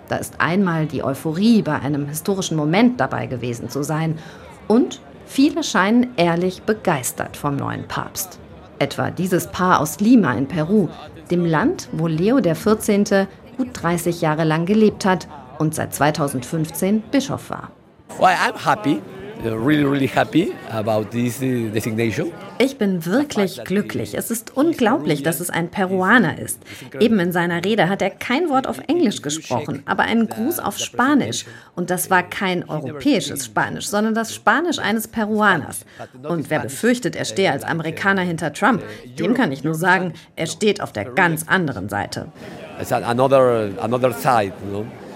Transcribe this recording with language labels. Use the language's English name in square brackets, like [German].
[German] Da ist einmal die Euphorie, bei einem historischen Moment dabei gewesen zu sein. Und viele scheinen ehrlich begeistert vom neuen Papst. Etwa dieses Paar aus Lima in Peru, dem Land, wo Leo der 14. gut 30 Jahre lang gelebt hat und seit 2015 Bischof war. [English] Well, I'm happy. Really, really happy about this designation. [German] Ich bin wirklich glücklich. Es ist unglaublich, dass es ein Peruaner ist. Eben in seiner Rede hat er kein Wort auf Englisch gesprochen, aber einen Gruß auf Spanisch. Und das war kein europäisches Spanisch, sondern das Spanisch eines Peruaners. Und wer befürchtet, er stehe als Amerikaner hinter Trump, dem kann ich nur sagen, er steht auf der ganz anderen Seite. [English] It's another side, you know?